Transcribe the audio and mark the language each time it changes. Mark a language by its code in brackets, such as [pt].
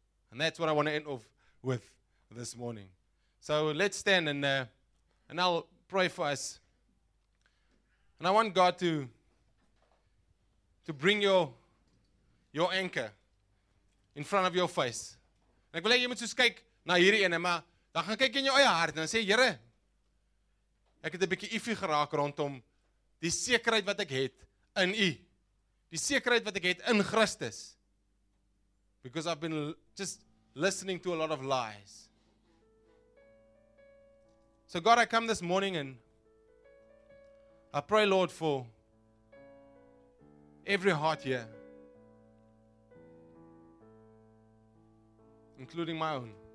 [en] And that's what I want to end off with this morning. So let's stand and I'll pray for us. And I want God to bring your anchor in front of your face. [af] En ek wil hê jy moet soos kyk na hierdie ene, maar dan gaan kyk in jou eie hart en dan sê, Here, ek het 'n bietjie iffy geraak rondom die sekerheid wat ek het in U. Die sekerheid wat ek het in Christus. [en] Because I've been just listening to a lot of lies. So God, I come this morning and I pray, Lord, for every heart here, including my own.